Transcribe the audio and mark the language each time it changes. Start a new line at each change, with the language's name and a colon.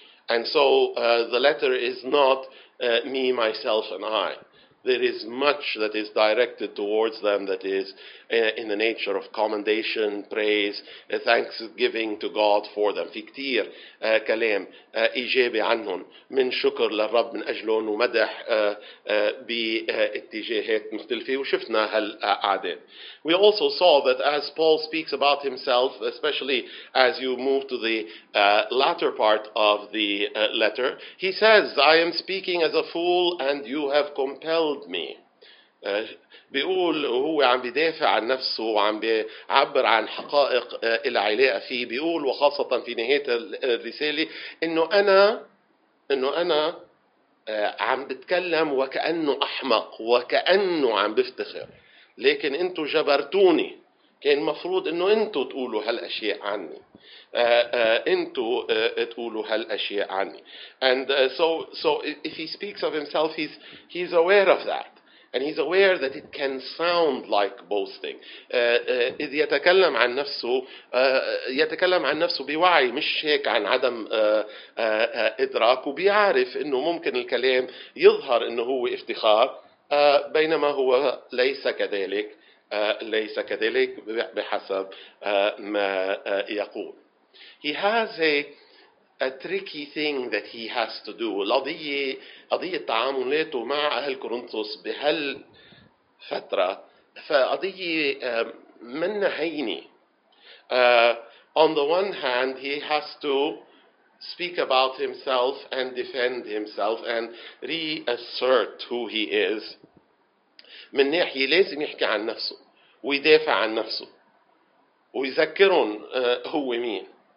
English: And so the letter is not me, myself and I. There is much that is directed towards them that is in the nature of commendation, praise, thanksgiving to God for them.
Arabic: في كتير كلام إيجابي عنهم من شكر للرب من أجلهم ومدح باتجاهات مختلفة وشفنا هالأعداد.
English: We also saw that as Paul speaks about himself, especially as you move to the latter part of the letter, he says, I am speaking as a fool and you have compelled me.
Arabic: بيقول هو عم بيدافع عن نفسه وعم بيعبر عن حقائق العلاقة فيه. بيقول وخاصة في نهاية الرسالة إنه أنا عم بتكلم وكأنه أحمق وكأنه عم بفتخر. لكن أنتوا جبرتوني. كان مفروض إنه أنتوا تقولوا هالأشياء عني. أنتوا تقولوا هالأشياء عني.
English: And so if he speaks of himself, he's aware of that. And he's aware that it can sound like boasting.
Arabic: إذ يتكلم عن نفسه يتكلم عن نفسه بوعي مش هيك عن عدم إدراك وبيعرف إنه ممكن الكلام يظهر إنه هو افتخار بينما هو ليس كذلك ليس كذلك بحسب ما يقول.
English: He has a tricky thing that he has to do.
Arabic: قضية تعاملاته مع أهل كورنثوس بهالفترة فقضية من هيني.
English: On the one hand, he has to speak about himself and defend himself and reassert who he is.
Arabic: من ناحية لازم يحكي عن نفسه ويدافع عن نفسه ويذكرهم هو مين.